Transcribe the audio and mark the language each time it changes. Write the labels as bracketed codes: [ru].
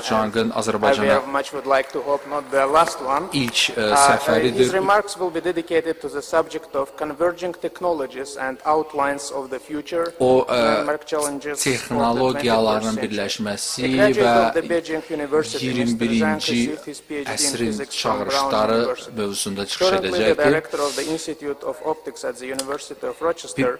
[az] Zhang'ın Azərbaycana ilk səfəridir. [en] His remarks will be dedicated to the subject of converging technologies and outlines of the future. [az] O, texnologiyaların birləşməsi və 21-ci əsrin çağırışları mövzusunda çıxış edəcəkdir.